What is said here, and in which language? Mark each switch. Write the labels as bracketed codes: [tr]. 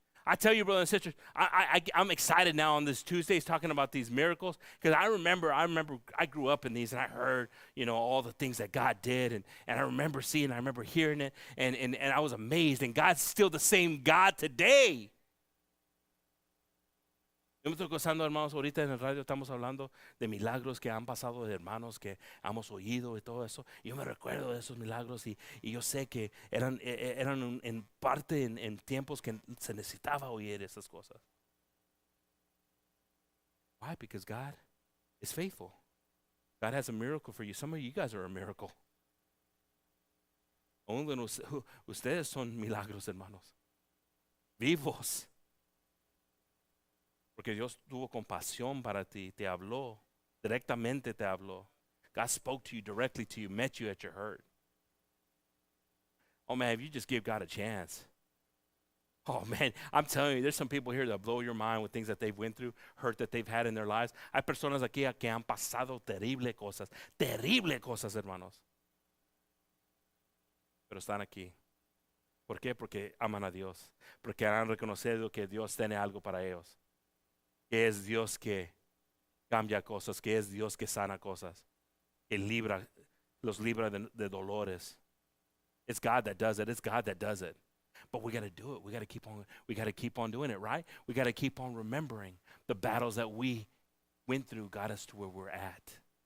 [en] I tell you, brothers and sisters, I'm excited now on this Tuesdays talking about these miracles because I remember I grew up in these and I heard, you know, all the things that God did and I remember seeing, I remember hearing it and I was amazed and God's still the same God today. [es] Yo me estoy gozando, hermanos, ahorita en el radio estamos hablando de milagros que han pasado de hermanos que hemos oído y todo eso. Yo me recuerdo de esos milagros y yo sé que eran en parte en tiempos que se necesitaba oír esas cosas. [en] Why? Because God is faithful. God has a miracle for you. Some of you guys are a miracle. [es] Only ustedes son milagros, hermanos. Vivos. Porque Dios tuvo compasión para ti, te habló, directamente te habló. [en] God spoke to you directly to you, met you at your hurt. Oh man, if you just give God a chance. Oh, man, I'm telling you, there's some people here that blow your mind with things that they've went through, hurt that they've had in their lives. [es] Hay personas aquí que han pasado terrible cosas, hermanos. Pero están aquí. ¿Por qué? Porque aman a Dios. Porque han reconocido que Dios tiene algo para ellos. Que es Dios que cambia cosas, que es Dios que sana cosas, que libra, los libra de dolores. [en] It's God that does it. It's God that does it. But we got to do it. We got to keep on doing it, right? We got to keep on remembering the battles that we went through got us to where we're at.